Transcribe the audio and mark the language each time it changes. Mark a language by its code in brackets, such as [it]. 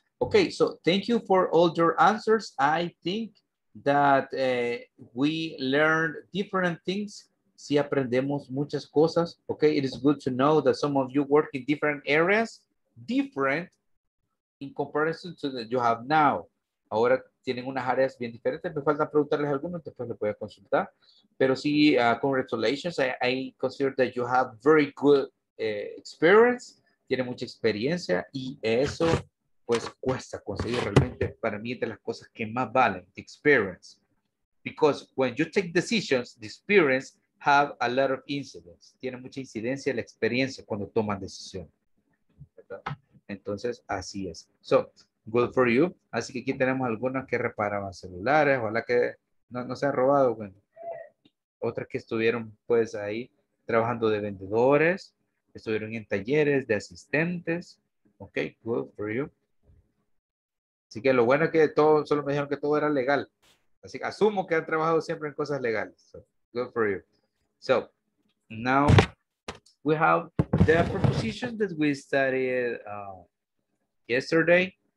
[en] Okay, so thank you for all your answers. I think that we learned different things. [es] Si aprendemos muchas cosas. [en] Okay, it is good to know that some of you work in different areas, different in comparison to that you have now. [es] Ahora tienen unas áreas bien diferentes. Me falta preguntarles algunos, después les voy a consultar. Pero sí, congratulations. [en] I consider that you have very good experience. [es] Tiene mucha experiencia y eso pues cuesta conseguir realmente, para mí, de las cosas que más valen, [en] the experience. Because when you take decisions, the experience have a lot of incidence. [es] Tiene mucha incidencia la experiencia cuando toman decisión. Entonces, así es. [en] So, good for you. [es] Así que aquí tenemos algunas que reparaban celulares, ojalá que no se ha robado. Bueno, otras que estuvieron pues ahí trabajando de vendedores, estuvieron en talleres de asistentes. [en] Ok, good for you. [es] Así que lo bueno es que todo, solo me dijeron que todo era legal. Así que asumo que han trabajado siempre en cosas legales. [en] So, good for you. So, now we have the preposition that we studied yesterday.